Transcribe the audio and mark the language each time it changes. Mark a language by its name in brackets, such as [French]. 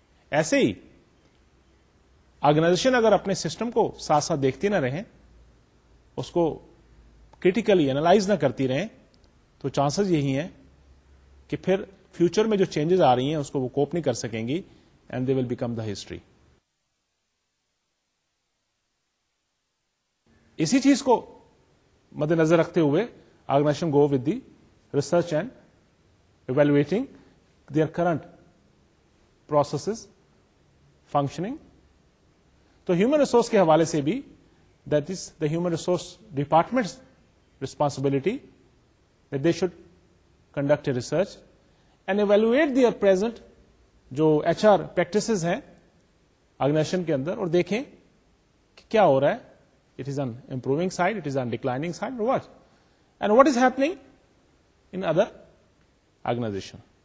[Urdu] ایسے ہی آرگنائزیشن اگر اپنے سسٹم کو ساتھ ساتھ دیکھتی نہ رہیں اس کو کریٹیکلی اینالائز نہ کرتی رہیں تو چانسز یہی ہیں کہ پھر فیوچر میں جو چینجز آ رہی ہیں اس کو وہ کوپ نہیں کر سکیں گی [English] And they will become the history. [Urdu] اسی چیز کو مد نظر رکھتے ہوئے [English] Organization go with the research and evaluating their current processes functioning. [Urdu] تو ہیومن ریسورس کے حوالے سے بھی [English] that is the human resource department's responsibility that they should conduct research and evaluate their present [Urdu] جو ایچ آر پریکٹسز ہیں organization کے اندر اور دیکھیں کہ کیا ہو رہا ہے [English] It is on improving side it is on declining side what and what is happening in other organization.